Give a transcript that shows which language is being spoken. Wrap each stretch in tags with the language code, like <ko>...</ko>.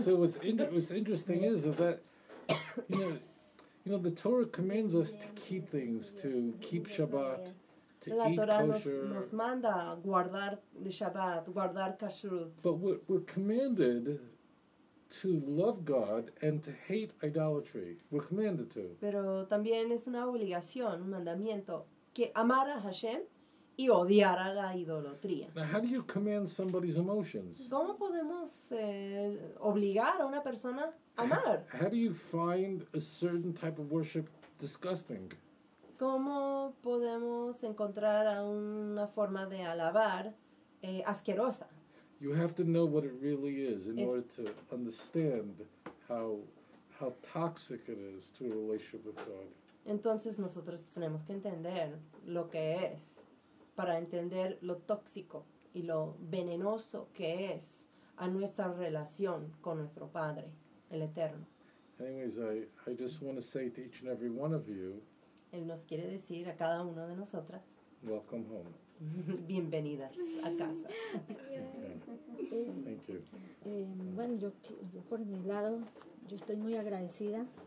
<en>So, what's interesting is that, you know, the Torah commands us to keep things, to keep Shabbat, to</en> <es>la</es> <en>eat</en> <es>Torah</es> <en>kosher.</en> <es>Nos manda guardar Shabbat, guardar kashrut.</es> <en>But we're commanded to love God and to hate idolatry. We're commanded to.</en> <es>Pero también es una obligación, un mandamiento, que amar a Hashem y odiar a la idolatría.</es> <en>Now, how do you command somebody's emotions?</en> <es>¿Cómo podemos obligar a una persona a amar?</es> <en>How do you find a certain type of worship disgusting?</en> <es>¿Cómo podemos encontrar a una forma de alabar asquerosa?</es> <en>You have to know what it really is in order to understand how toxic it is to a relationship with God.</en> <es>Entonces nosotros tenemos que entender lo que es, para entender lo tóxico y lo venenoso que es a nuestra relación con nuestro Padre, el Eterno.</es> <en>Anyways, I just want to say to each and every one of you,</en> <es>Él nos quiere decir a cada uno de nosotras,</es> <en>welcome home.</en> <es>Bienvenidas a casa.</es> <en>Thank you.</en> <es>Bueno, yo por mi lado, yo estoy muy agradecida.</es>